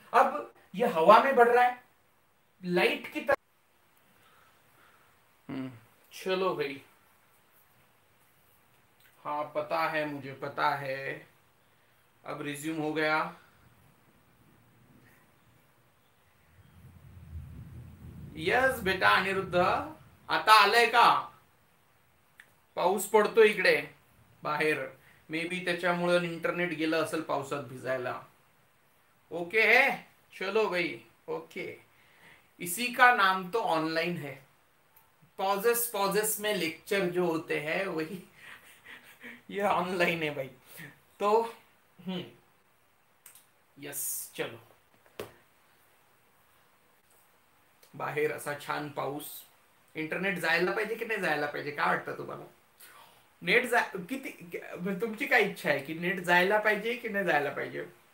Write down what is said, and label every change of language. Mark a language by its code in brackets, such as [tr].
[hi] अब ये हवा में बढ़ रहा है लाइट की तरह। चलो भाई, हाँ पता है, मुझे पता है, अब रिज्यूम हो गया। [mr] यस बेटा अनिरुद्ध, आता आलाय का? पाऊस पडतो इकडे बाहेर, मे बी त्याच्यामुळे इंटरनेट गेलं असेल पावसात भिजायला। [hi] ओके है, चलो भाई। ओके, इसी का नाम तो ऑनलाइन है, पॉजेस पॉजेस में लेक्चर जो होते हैं वही ये ऑनलाइन है भाई। [mr] तो यस, चलो बाहेर असा छान पाऊस, इंटरनेट जायला पाहिजे की नाही जायला पाहिजे, काय वाटतं तुम्हाला, नेट किती, तुमची काय इच्छा आहे की नेट जायला पाहिजे की नाही जायला पाहिजे?